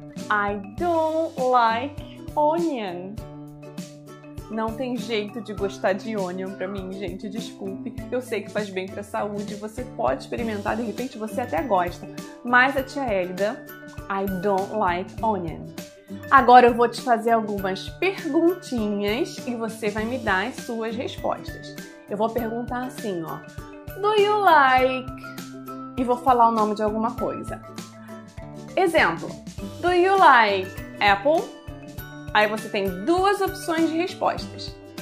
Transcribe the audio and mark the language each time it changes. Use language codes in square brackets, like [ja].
[en] I don't like onion. [pt] Não tem jeito de gostar de onion pra mim, gente. Desculpe. Eu sei que faz bem pra saúde. Você pode experimentar. De repente, você até gosta. Mas a tia Hélida, [en] I don't like onion. [pt] Agora eu vou te fazer algumas perguntinhas e você vai me dar as suas respostas. Eu vou perguntar assim, ó. [en] Do you like? [pt] E vou falar o nome de alguma coisa. Exemplo. [en] Do you like apple? [pt] Aí você tem duas opções de respostas.